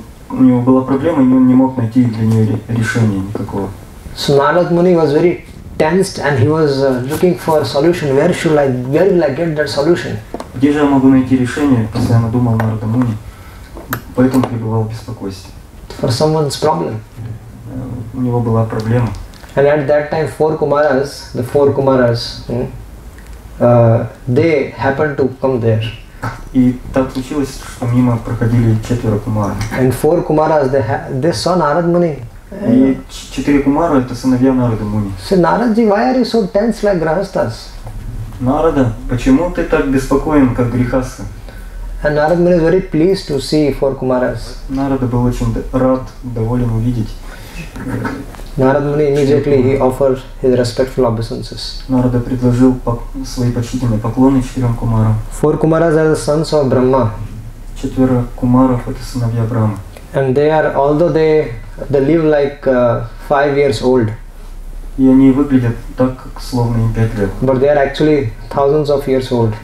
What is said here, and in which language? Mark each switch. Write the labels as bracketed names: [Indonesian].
[Russian] У него была проблема, и он не мог найти для нее решения никакого. [English] So Narad Muni was very tensed, and he was looking for a solution. Where will I get that solution? [Russian] Где же я могу найти решение? Постоянно думал Нарада Муни, поэтому пребывал в беспокойстве. [English] For someone's problem. [Russian] У него была проблема. [English] And at that time, the four Kumaras, they happened to come there. [Russian] И так случилось, что мимо проходили четверо кумар. [English] And four kumaras, they saw Narad Muni. [Russian] И четыре кумара — это сыновья Нарада Муни. [English] So Naradji, why are you so tense like grihasthas? [Russian] Нарада, почему ты так беспокоен, как грихасы? [English] And Narad Muni is very pleased to see four kumaras. [Russian] Нарада был очень рад, доволен увидеть. [English] Narad Muni immediately he offered his respectful obeisances. [Russian] Нарада предложил свои почтительные поклоны четырем кумарам. [English] Four kumaras are the sons of Brahma. [Russian] Четверо кумаров — это сыновья Брахмы. [English] And they are, although they live like 5 years old. [Russian] И они выглядят так, как словно им 5 лет. [English] But they are actually thousands of years old.